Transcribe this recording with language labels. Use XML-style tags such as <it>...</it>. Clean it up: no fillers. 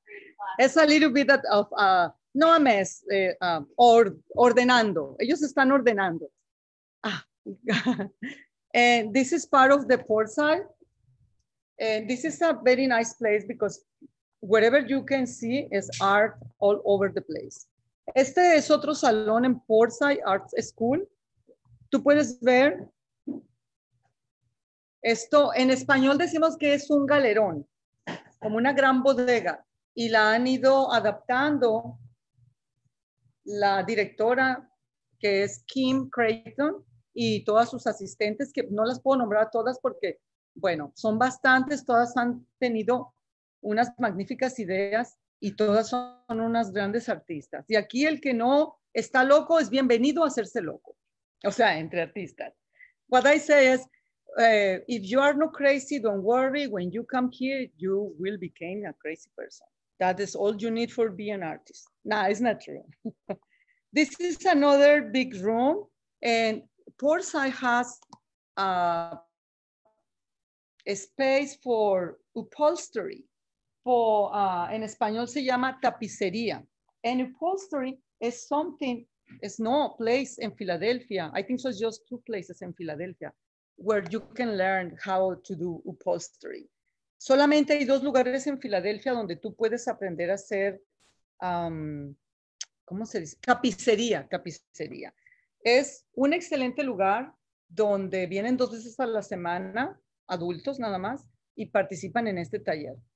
<en>creative class. It's a little bit of, no a mess, ordenando.</en> <es>Ellos están ordenando.</es> <en>And this is part of the port side. And this is a very nice place because whatever you can see is art all over the place.</en> <es>Este es otro salón en Port Side Arts School. Tú puedes ver esto. En español decimos que es un galerón, como una gran bodega. Y la han ido adaptando la directora, que es Kim Creighton, y todas sus asistentes, que no las puedo nombrar todas porque, bueno, son bastantes, todas han tenido unas magníficas ideas y todas son unas grandes artistas. Y aquí el que no está loco es bienvenido a hacerse loco, o sea, entre artistas.</es> <en>What I say is, if you are not crazy, don't worry, when you come here, you will become a crazy person. That is all you need for being an artist. Nah, it's not true. This is another big room, and Portside has a space for upholstery. For</en> <es>en español se llama tapicería.</es> <en>And upholstery is something, it's no place in Philadelphia. I think so it's just two places in Philadelphia where you can learn how to do upholstery.</en> <es>Solamente hay dos lugares en Philadelphia donde tú puedes aprender a hacer, ¿cómo se dice? Tapicería. Es un excelente lugar donde vienen dos veces a la semana, adultos nada más, y participan en este taller.</es>